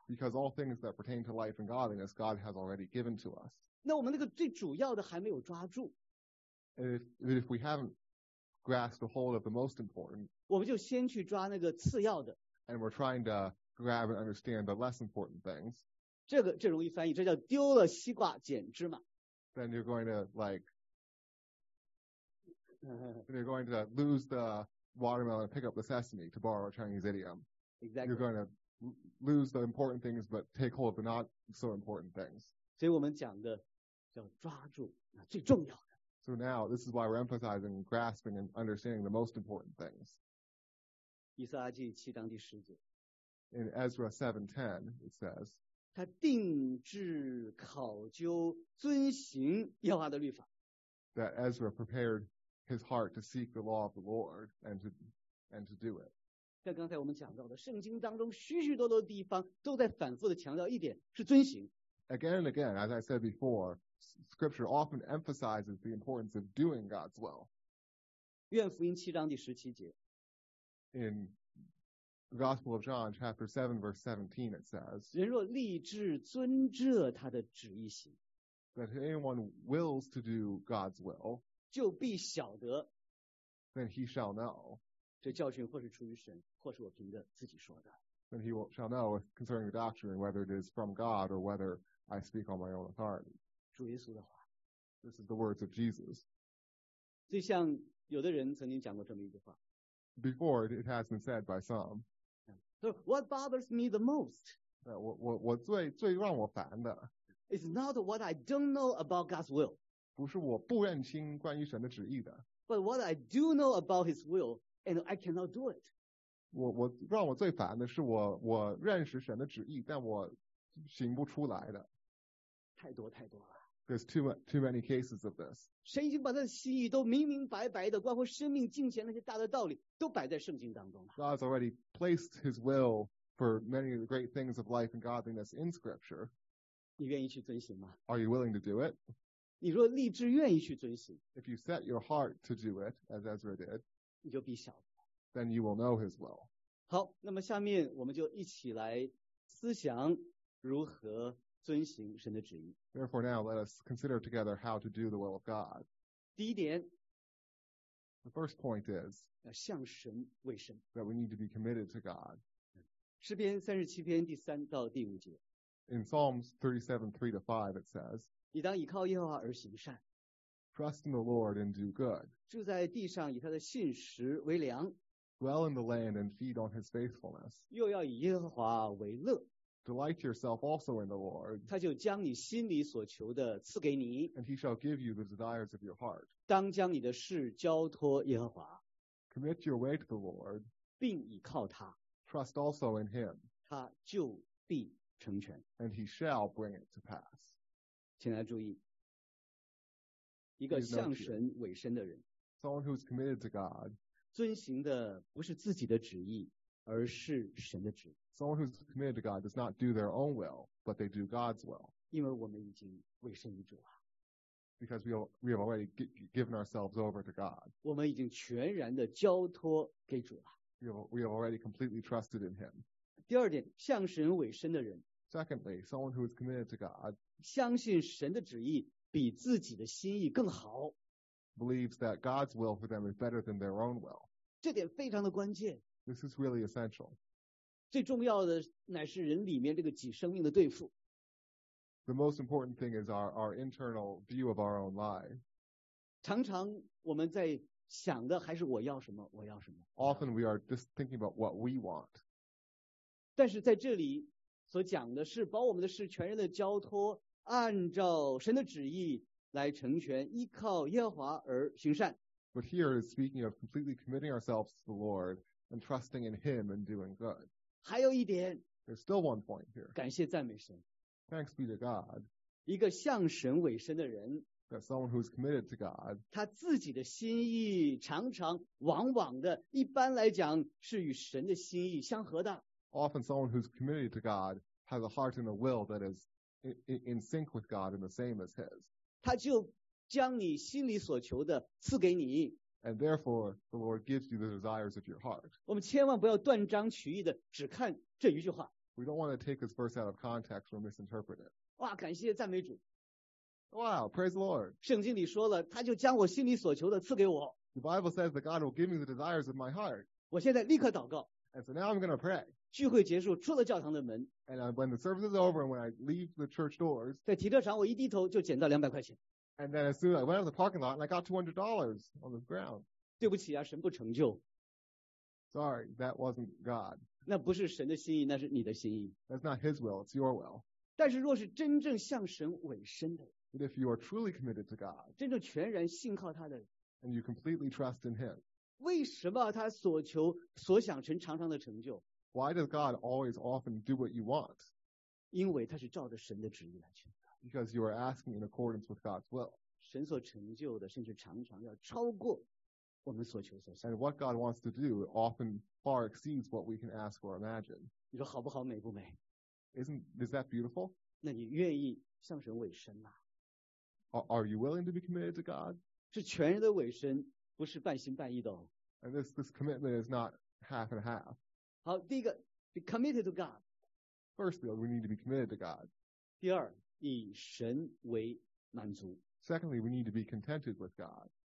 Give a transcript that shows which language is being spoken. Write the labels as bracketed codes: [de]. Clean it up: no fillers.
[en] Because all things that pertain to life and godliness, God has already given to us. [zh] 那我们那个最主要的还没有抓住。 [en] If we haven't grasp a hold of the most important. [zh] 我们就先去抓那个次要的。 [en] And we're trying to grab and understand the less important things. [zh] 这容易翻译，这叫丢了西瓜捡芝麻。 [en] Then you're going to like, then you're going to lose the watermelon and pick up the sesame, to borrow a Chinese idiom. Exactly. You're going to lose the important things, but take hold of the not so important things. [zh] 所以我们讲的叫抓住最重要的。 [en] So now this is why we're emphasizing grasping and understanding the most important things. [zh] 以赛亚记七章第十节。 [en] In Ezra 7:10, it says. [zh] 他定制考究遵行耶和华的律法。 [en] That Ezra prepared his heart to seek the law of the Lord and to do it. [zh] 像刚才我们讲到的，圣经当中许许多多的地方都在反复的强调一点，是遵行。 [en] Again and again, as I said before, Scripture often emphasizes the importance of doing God's will. [zh] 愿福音七章第十七节。 [en] In the Gospel of John, chapter 7, verse 17, it says, [zh] 人若立志遵这他的旨意行。 [en] That if anyone wills to do God's will, [zh] 就必晓得。 [en] Then he shall know. [zh] 这教训或是出于神，或是我凭着自己说的。 [en] And he shall know concerning the doctrine whether it is from God or whether I speak on my own authority. [zh] 主耶稣的话。 [en] This is the words of Jesus. [zh] 就像有的人曾经讲过这么一句话。 [en] Before it has been said by some. So what bothers me the most? [zh] 我最让我烦的。 [en] It's not what I don't know about God's will. [zh] 不是我不认清关于神的旨意的。 [en] But what I do know about His will, and I cannot do it. [zh] 我让我最烦的是我认识神的旨意，但我行不出来的。太多太多了。 [en] There's too many cases of this. [zh] 神已经把他的心意都明明白白的，关乎生命敬虔那些大的道理，都摆在圣经当中了。 [en] God's already placed His will for many of the great things of life and godliness in Scripture. [zh] 你愿意去遵行吗？ [en] Are you willing to do it? [zh] 你若立志愿意去遵行。 [en] If you set your heart to do it, as Ezra did, [zh] 你就必晓得。 [en] Then you will know His will. [zh] 好，那么下面我们就一起来思想如何遵行神的旨意。 [en] Therefore now let us consider together how to do the will of God. [zh] 第一点， [en] The first point is [zh] 要向神为神。 [en] That we need to be committed to God. [zh] 诗篇37篇第3到第5节。 [en] In Psalms 37:3-5 it says, [zh] 你当倚靠耶和华而行善。 [en] Trust in the Lord and do good. [zh] 住在地上以他的信实为粮。 [en] Dwell in the land and feed on His faithfulness. [zh] 又要以耶和华为乐。 [en] Delight yourself also in the Lord. [zh] 他就将你心里所求的赐给你。 [en] And He shall give you the desires of your heart. [zh] 当将你的事交托耶和华。 [en] Commit your way to the Lord. [zh] 并倚靠他。 [en] Trust also in Him. [zh] 他就必成全。 [en] And He shall bring it to pass. [zh] 请大家注意，一个向神委身的人。 [en] Someone who is committed to God. [zh] 遵行的不是自己的旨意，而是神的旨意。 [en] Someone who is committed to God does not do their own will, but they do God's will. [zh] 因为我们已经委身于主了。 [en] Because we have already given ourselves over to God. [zh] 我们已经全然的交托给主了。 [en] We have already completely trusted in Him. [zh] 第二点，向神委身的人。 [en] Secondly, someone who is committed to God. [zh] 相信神的旨意比自己的心意更好。 [en] Believes that God's will for them is better than their own will. [zh] 这点非常的关键。 [en] This is really essential. [zh] 最重要的乃是人里面这个己生命的对付。 [en] The most important thing is our internal view of our own life. [zh] 常常我们在想的还是我要什么，我要什么。 [en] Often we are just thinking about what we want. [zh] 但是在这里所讲的是把我们的事全然的交托，按照神的旨意来成全，依靠耶和华而行善。 [en] But here is speaking of completely committing ourselves to the Lord and trusting in Him and doing good. [zh] 还有一点。 [en] There's still one point here. [zh] 感谢赞美神。 [en] Thanks be to God. [zh] 一个向神委身的人。 [en] That someone who is committed to God. [zh] 他自己的心意常常往往的一般来讲是与神的心意相合的。 [en] Often someone who is committed to God has a heart and a will that is in sync with God and the same as His. [zh] 他就将你心里所求的赐给你。 [en] And therefore, the Lord gives you the desires of your heart. [zh] 我们千万不要断章取义的只看这一句话。 [en] We don't want to take this verse out of context or misinterpret it. [zh] 哇，感谢赞美主。 [en] Wow, praise the Lord. [zh] 圣经里说了，他就将我心里所求的赐给我。 [en] The Bible says that God will give me the desires of my heart. [zh] 我现在立刻祷告。 [en] And so now I'm going to pray. [zh] 聚会结束，出了教堂的门。 [en] And when the service is over and when I leave the church doors, [zh] 在停车场我一低头就捡到200块钱。 [en] And then as soon as I went out of the parking lot and I got $200 on the ground. [zh] 对不起啊，神不成就。 [en] Sorry, that wasn't God. [zh] 那不是神的心意，那是你的心意。 [en] That's not His will, it's your will. [zh] 但是若是真正向神委身的。 [en] But if you are truly committed to God, [zh] 真正全然信靠他的。 [en] And you completely trust in Him. [zh] 为什么他所求所想成常常的成就？ [en] Why does God always often do what you want? [zh] 因为他是照着神的旨意来去。 [en] Because you are asking in accordance with God's will. [zh] 神所成就的甚至常常要超过。我们所求所想。 [en] And what God wants to do often far exceeds what we can ask or imagine. [zh] 你说好不好，美不美？ [en] Is that beautiful? [zh] 那你愿意向神委身吗？ [en] Are you willing to be committed to God? [zh] 是全人的委身，不是半心半意的哦。 [en] And this commitment is not half and half. [zh] 好，第一个， [en] be committed to God. Firstly, we need to be committed to God. [zh] 第二，以神为满足。 [en] Secondly, we need to be contented with God.